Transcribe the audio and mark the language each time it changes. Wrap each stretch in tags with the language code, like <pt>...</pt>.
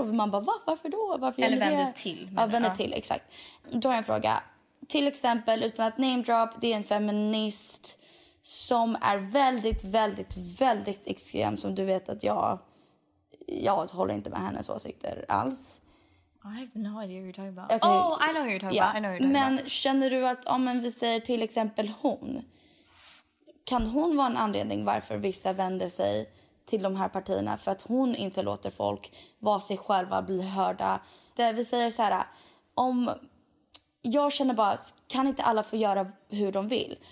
<sv>Och man bara, varför då? Varför eller vänder det? Till. Ja, vänder till, exakt. Då har jag en fråga. Till exempel, utan att name drop, det är en feminist som är väldigt, väldigt, väldigt extrem. Som du vet att jag håller inte med hennes åsikter alls.</sv> <en>I have no idea what you're talking about. Okay. Oh, I know what you're talking about. I know what you're talking</en> <sv>men</sv> <en>about.</en> <sv>Känner du att om vi säger till exempel hon, kan hon vara en anledning varför vissa vänder sig till de här partierna för att hon inte låter folk vara sig själva, bli hörda? Det vill säga så här, om jag känner bara, kan inte alla få göra hur de vill?</sv>